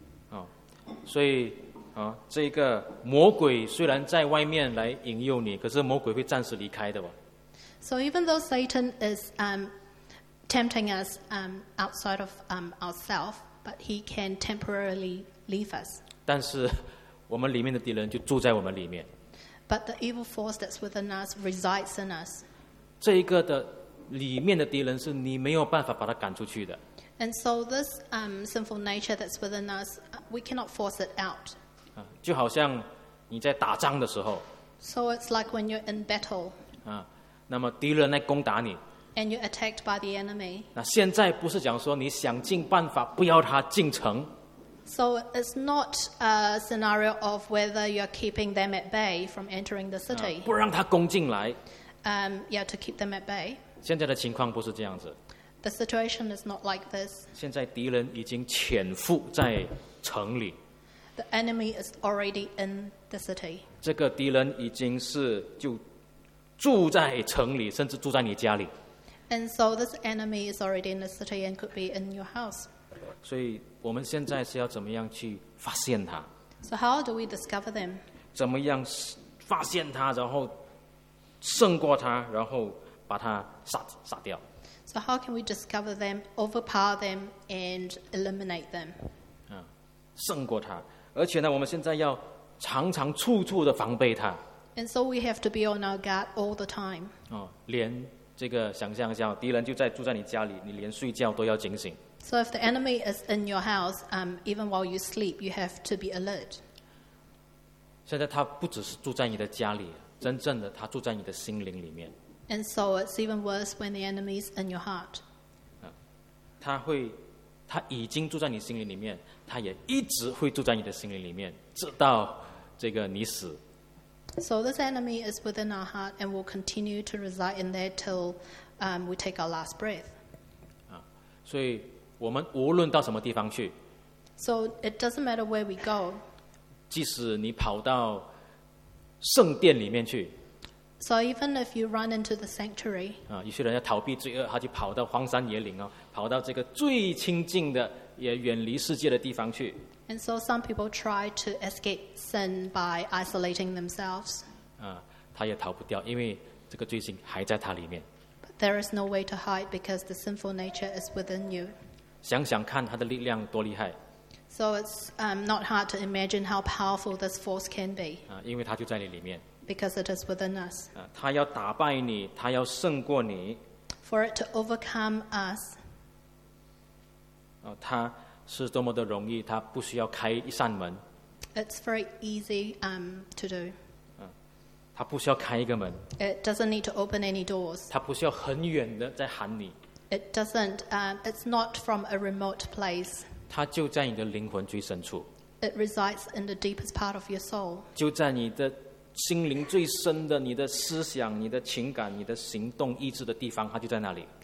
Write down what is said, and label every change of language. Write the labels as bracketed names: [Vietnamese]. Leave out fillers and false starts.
[Chinese] 哦，所以啊，这个魔鬼虽然在外面来引诱你，可是魔鬼会暂时离开的哦。 [English] So even though Satan is tempting us outside of ourselves, but he can temporarily leave us. [Chinese] 但是我们里面的敌人就住在我们里面。 [English] But the evil force that's within us resides in us. [Chinese] 这一个的。里面的敌人是你没有办法把他赶出去的。 [English] And so this sinful nature that's within us, we cannot force it out. [Chinese] 就好像你在打仗的时候。 [English] So it's like when you're in battle. [Chinese] 那么敌人来攻打你。 [English] And you're attacked by the enemy. [Chinese] 那现在不是讲说你想尽办法不要他进城。 [English] So it's not a scenario of whether you're keeping them at bay from entering the city. [Chinese] 不让他攻进来。 [English] Yeah, to keep them at bay. [Chinese] 现在的情况不是这样子。 [English] The situation is not like this. [Chinese] 现在敌人已经潜伏在城里。 [English] The enemy is already in the city. [Chinese] 这个敌人已经是就住在城里，甚至住在你家里。 [English] And so this enemy is already in the city and could be in your house. [Chinese] 所以我们现在是要怎么样去发现他？ [English] So how do we discover them? [Chinese] 怎么样发现他，然后胜过他，然后把他杀掉。 [English] So how can we discover them, overpower them, and eliminate them? [Chinese] 胜过他，而且呢，我们现在要常常处处的防备他。 [English] And so we have to be on our guard all the time. [Chinese] 连这个想象一下，敌人就在住在你家里，你连睡觉都要警醒。 [English] So if the enemy is in your house, even while you sleep, you have to be alert. [Chinese] 现在他不只是住在你的家里，真正的他住在你的心灵里面。 [English] And so it's even worse when the enemy is in your heart. [Chinese] 他已经住在你心灵里面，他也一直会住在你的心灵里面，直到这个你死。 [English] So this enemy is within our heart and will continue to reside in there till we take our last breath. [Chinese] 所以我们无论到什么地方去。 [English] So it doesn't matter where we go. [Chinese] 即使你跑到圣殿里面去。 [English] So even if you run into the sanctuary, [Chinese] 啊，有些人要逃避罪恶，他就跑到荒山野岭哦，跑到这个最清净的，也远离世界的地方去。 [English] And so some people try to escape sin by isolating themselves. [Chinese] 啊，他也逃不掉，因为这个罪性还在他里面。 [English] But there is no way to hide because the sinful nature is within you. [Chinese] 想想看，他的力量多厉害。 [English] So it's not hard to imagine how powerful this force can be. [Chinese] 啊，因为他就在你里面。 [English] Because it is within us. [Chinese] 啊，他要打败你，他要胜过你。 [English] For it to overcome us. [Chinese] 哦，他是多么的容易，他不需要开一扇门。 [English] It's very easy to do. [Chinese] 啊，他不需要开一个门。 [English] It doesn't need to open any doors. [Chinese] 他不需要很远的在喊你。 [English] It doesn't. It's not from a remote place. [Chinese] 他就在你的灵魂最深处。 [English] It resides in the deepest part of your soul. [Chinese] 就在你的心灵最深的，你的思想、你的情感、你的行动、意志的地方，它就在那里。